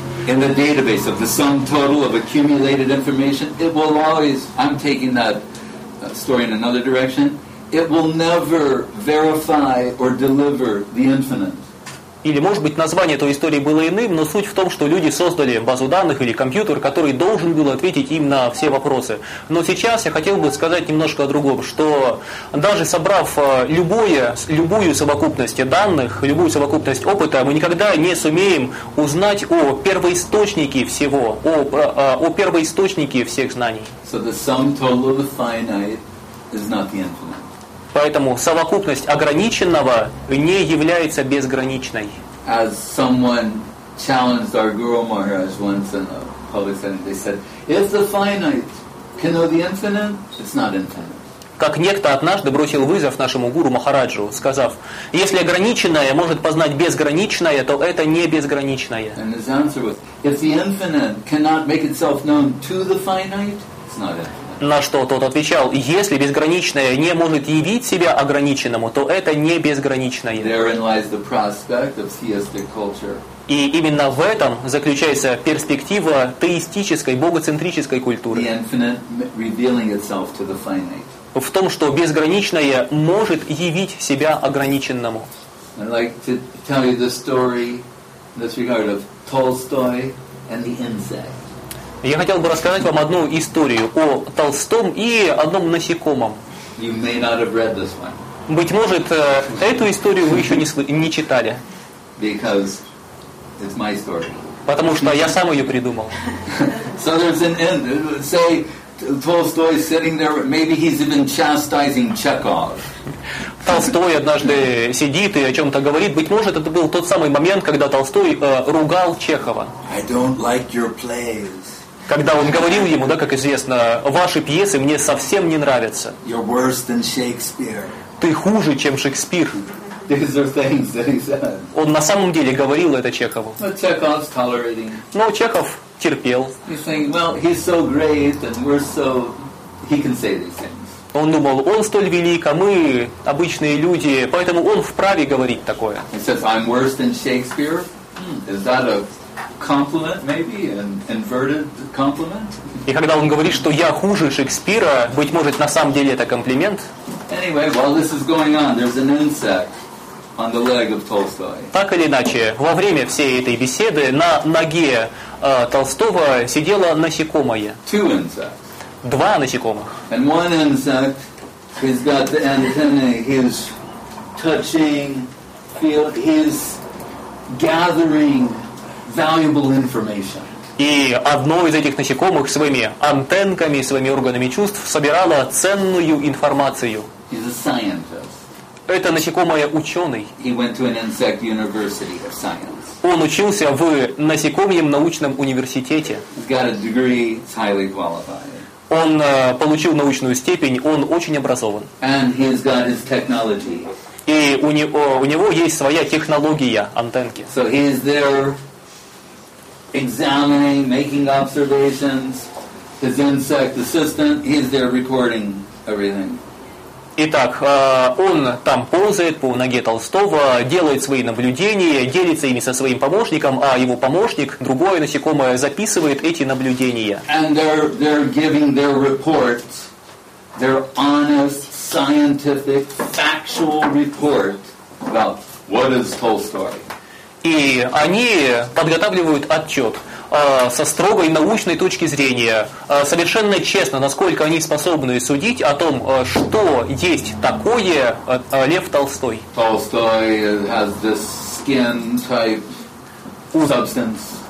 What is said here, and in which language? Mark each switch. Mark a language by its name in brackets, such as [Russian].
[English] In the database of the sum total of accumulated information, it will always, I'm taking that story in another direction, it will never verify or deliver the infinite. [Russian] Или, может быть, название той истории было иным, но суть в том, что люди создали базу данных или компьютер, который должен был ответить им на все вопросы. Но сейчас я хотел бы сказать немножко о другом, что даже собрав любую совокупность данных, любую совокупность опыта, мы никогда не сумеем узнать о первоисточнике всего, о первоисточнике всех знаний. [English] So the sum total of the finite is not the infinite. [Russian] Поэтому совокупность ограниченного не является безграничной. [English] As someone challenged our Guru Maharaj once in a public setting, they said, if the finite can know the infinite, it's not infinite. [Russian] Как некто однажды бросил вызов нашему Гуру Махараджу, сказав: если ограниченное может познать безграничное, то это не безграничное. [English] And his answer was, if the infinite cannot make itself known to the finite, it's not infinite. [Russian] На что тот отвечал: если безграничное не может явить себя ограниченному, то это не безграничное. [English] Therein lies the prospect of theistic culture. [Russian] И именно в этом заключается перспектива теистической, богоцентрической культуры. [English] The infinite revealing itself to the finite. [Russian] В том, что безграничное может явить себя ограниченному. [English] I'd like to tell you the story this regard of Tolstoy and the insect. [Russian] Я хотел бы рассказать вам одну историю о Толстом и одном насекомом. [English] You may not have read this one. [Russian] Быть может, эту историю вы еще не читали. [English] Because it's my story. [Russian] Потому что я сам ее придумал. [English] So there's an end. Say, Tolstoy sitting there, maybe he's even chastising Chekhov. [Russian] Толстой однажды сидит и о чем-то говорит. Быть может, это был тот самый момент, когда Толстой ругал Чехова. [English] I don't like your plays. [Russian] Когда он говорил ему, да, как известно, ваши пьесы мне совсем не нравятся. [English] You're worse than Shakespeare. [Russian] Ты хуже, чем Шекспир. [English] These are things that he said. [Russian] Он на самом деле говорил это Чехову. [English] But Chekhov's tolerating. [Russian] Но Чехов терпел. [English] He's saying, well, he's so great, and we're so, he can say these things. [Russian] Он думал, он столь велик, а мы обычные люди, поэтому он вправе говорить такое. [English] He says, I'm worse than Shakespeare. Is that a compliment, maybe, an inverted compliment? [Russian] И когда он говорит, что я хуже Шекспира, быть может, на самом деле это комплимент? [English] Anyway, while this is going on, there's an insect on the leg of Tolstoy. [Russian] Так или иначе, во время всей этой беседы на ноге Толстого сидело насекомое. [English] Two insects. [Russian] Два насекомых. [English] And one insect, he's got the antennae, he's touching, feel, he's gathering valuable information. [Russian] И одно из этих насекомых своими антеннками, своими органами чувств собирало ценную информацию. [English] He's a scientist. [Russian] Это насекомое ученый. [English] He went to an insect university of science. [Russian] Он учился в насекомьем научном университете. [English] He's got a degree, he's highly qualified. [Russian] Он получил научную степень, он очень образован. [English] And he's got his technology. [Russian] И у него есть своя технология антенки. [English] So he's there examining, making observations. His insect assistant, he's there recording everything. [Russian] Итак, он там ползает по ноге Толстого, делает свои наблюдения, делится ими со своим помощником, а его помощник, другое насекомое, записывает эти наблюдения. [English] And they're giving their reports, their honest, scientific, factual report about what is Tolstoy. [Russian] И они подготавливают отчет со строгой научной точки зрения, совершенно честно, насколько они способны судить о том, что есть такое Лев Толстой. [English] Толстой has this skin type substance.